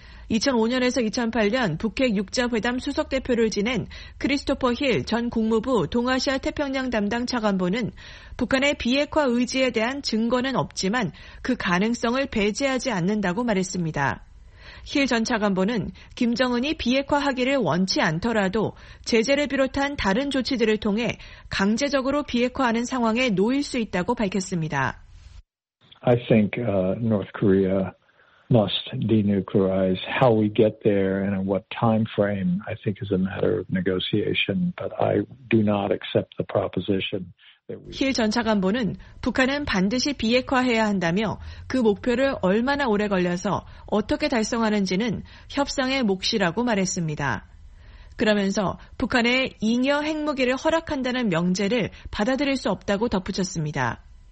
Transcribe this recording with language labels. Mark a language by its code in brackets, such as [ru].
[ko] 2005년에서 2008년 북핵 6자회담 수석대표를 지낸 크리스토퍼 힐 전 국무부 동아시아 태평양 담당 차관보는 북한의 비핵화 의지에 대한 증거는 없지만 그 가능성을 배제하지 않는다고 말했습니다. 힐 전 차관보는 김정은이 비핵화하기를 원치 않더라도 제재를 비롯한 다른 조치들을 통해 강제적으로 비핵화하는 상황에 놓일 수 있다고 밝혔습니다. [en] I think North Korea must denuclearize. How we get there and in what time frame I think is a matter of negotiation, but I do not accept the proposition. [ko] 힐 전 차관보는 북한은 반드시 비핵화해야 한다며 그 목표를 얼마나 오래 걸려서 어떻게 달성하는지는 협상의 몫이라고 말했습니다. 그러면서 북한에 잉여 핵무기를 허락한다는 명제를 받아들일 수 없다고 덧붙였습니다.